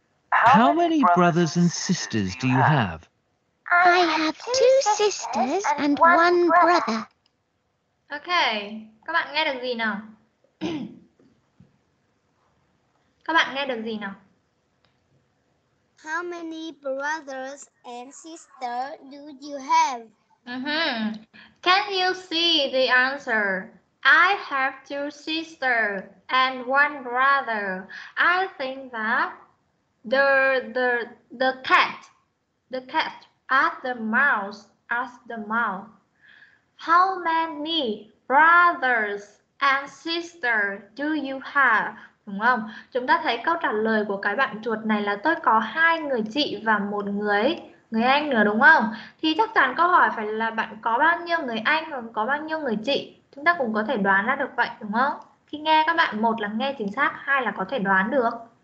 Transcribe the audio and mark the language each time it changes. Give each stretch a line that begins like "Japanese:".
English: How many brothers and sisters do you have? I have two sisters and one brother.
Vietnamese: Ok, các bạn nghe được gì nào? Các bạn nghe được gì nào?
English: How many brothers and sisters do you have? Can you see the answer? I have two sisters and one brother. I think that the cat asked the mouse. How many brothers and sisters do you have?
Vietnamese: Đúng không? Chúng ta thấy câu trả lời của cái bạn chuột này là tôi có hai người chị và một người anh nữa, đúng không? Thì chắc chắn câu hỏi phải là bạn có bao nhiêu người anh và có bao nhiêu người chị. Chúng ta cũng có thể đoán ra được vậy, đúng không? Khi nghe các bạn, một là nghe chính xác, hai là có thể đoán được.